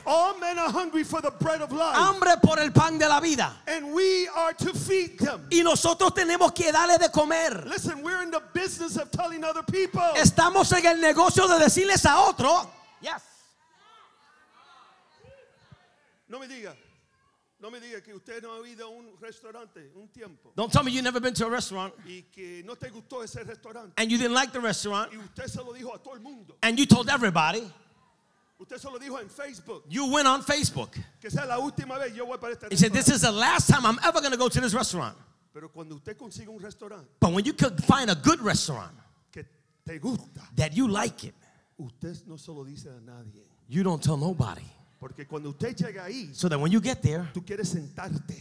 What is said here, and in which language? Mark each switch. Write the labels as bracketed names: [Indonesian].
[English] All men are hungry for the bread of life. [Spanish] Hambre por el pan de la vida. [English] And we are to feed. [Spanish] Y nosotros tenemos que darle de comer. [English] Listen, we're in the business of telling other people. [Spanish] Estamos en el negocio de decirles a otro. [English] Yes. [Spanish] No me diga. No me diga que usted no ha ido a un restaurante un tiempo. [English] Don't tell me you've never been to a restaurant. [Spanish] Y que no te gustó ese restaurante. [English] And you didn't like the restaurant. [Spanish] Y usted se lo dijo a todo el mundo. [English] And you told everybody. [Spanish] Usted solo dijo en Facebook. [English] You went on Facebook. [Spanish] Que sea la última vez yo voy para este. [English] He said, this is the last time I'm ever going to go to this restaurant. [Spanish] Pero cuando usted consigue un restaurante. [English] But when you could find a good restaurant. [Spanish] Que te gusta. [English] That you like it. [Spanish] Usted no solo dice a nadie. [English] You don't tell nobody. [Spanish] Porque cuando usted llega ahí. [English] So that when you get there. [Spanish] Tú quieres sentarte.